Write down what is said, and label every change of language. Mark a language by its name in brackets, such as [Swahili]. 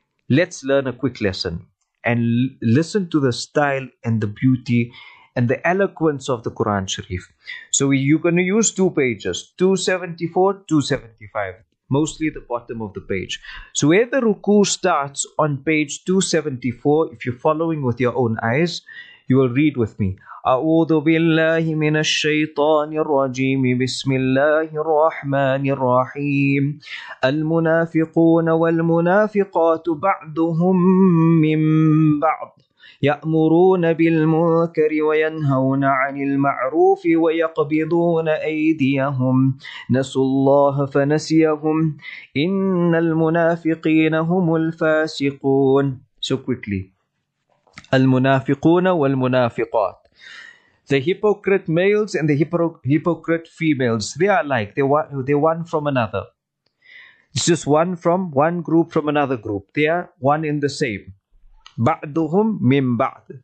[English] Let's learn a quick lesson. And listen to the style and the beauty and the eloquence of the Quran Sharif. So you're going to use two pages, 274, 275. Mostly the bottom of the page. So where the ruku starts on page 274, if you're following with your own eyes, you will read with me. [Arabic] أعوذ بالله من الشيطان الرجيم بسم الله الرحمن الرحيم المنافقون والمنافقات بعضهم من بعض يأمرون بالمنكر وينهون عن المعروف ويقبضون أيديهم نسوا الله فنسيهم إن المنافقين هم الفاسقون. [English] So quickly, [Arabic] المنافقون والمنافقات. [English] The hypocrite males and the hypocrite females, they are alike. They're one from another. It's just one from one group from another group. They are one in the same. [Arabic] بَعْدُهُمْ مِنْ بَعْدُ.